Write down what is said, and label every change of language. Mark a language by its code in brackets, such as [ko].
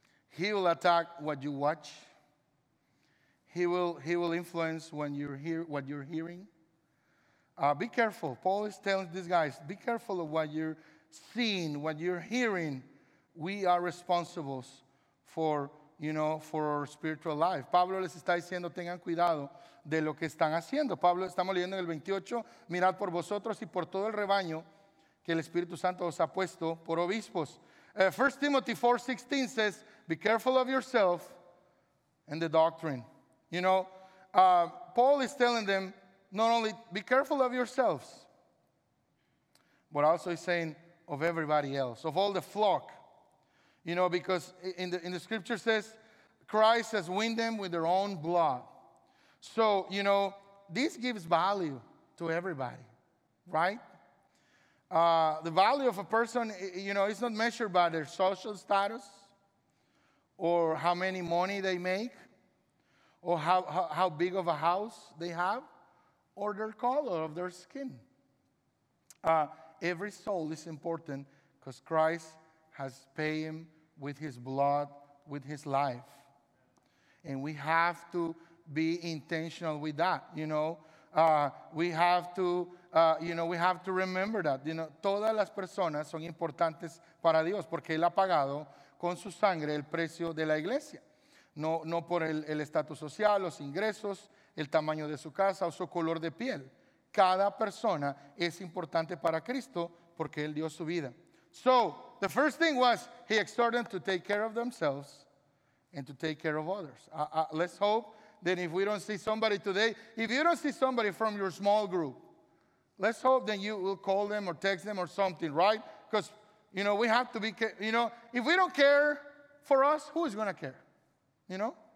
[en] He will attack what you watch. He will influence when you hear what you're hearing. Be careful. Paul is telling these guys, be careful of what you're seeing, what you're hearing. We are responsible for, you know, for our spiritual life. [es] Pablo les está diciendo, tengan cuidado de lo que están haciendo. Pablo, estamos leyendo en el 28, mirad por vosotros y por todo el rebaño que el Espíritu Santo os ha puesto por obispos. [en] 1 Timothy 4:16 says, be careful of yourself and the doctrine. You know, Paul is telling them, not only be careful of yourselves, but also he's saying of everybody else, of all the flock. You know, because in the scripture says, Christ has winned them with their own blood. So, you know, this gives value to everybody, right? The value of a person, you know, is not measured by their social status or how many money they make or how big of a house they have or their color of their skin. Every soul is important because Christ has paid him with his blood, with his life. And we have to be intentional with that, you know. We have to remember that, you know. [es] Todas las personas son importantes para Dios porque él ha pagado con su sangre el precio de la iglesia. No por el estatus social, los ingresos, el tamaño de su casa o su color de piel. Cada persona es importante para Cristo porque él dio su vida. [en] So, the first thing was he exhorted them to take care of themselves and to take care of others. Let's hope that if we don't see somebody today, if you don't see somebody from your small group, let's hope that you will call them or text them or something, right? Because, you know, we have to be, you know, if we don't care for us, who is going to care, you know?